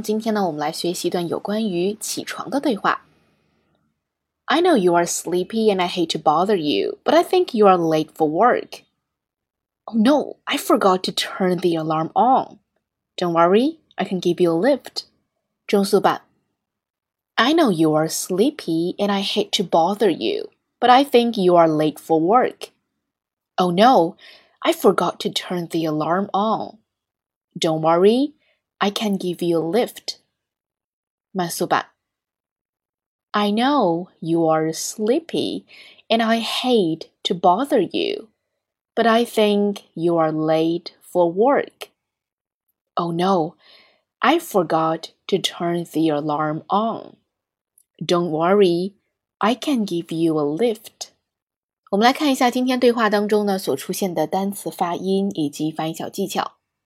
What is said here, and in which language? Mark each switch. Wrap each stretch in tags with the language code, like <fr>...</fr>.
<zh>今天呢，我们来学习一段有关于起床的对话。</zh> <en>I know you are sleepy and I hate to bother you, but I think you are late for work. Oh no, I forgot to turn the alarm on. Don't worry, I can give you a lift.</en> <zh>钟素版。</zh> <en>I know you are sleepy and I hate to bother you, but I think you are late for work. Oh no, I forgot to turn the alarm on. Don't worry, I can give you a lift.</en> <zh>慢速版。</zh> <en>I know you are sleepy and I hate to bother you, but I think you are late for work. Oh no, I forgot to turn the alarm on. Don't worry, I can give you a lift.</en> <zh>我们来看一下今天对话当中呢所出现的单词发音以及发音小技巧。</zh>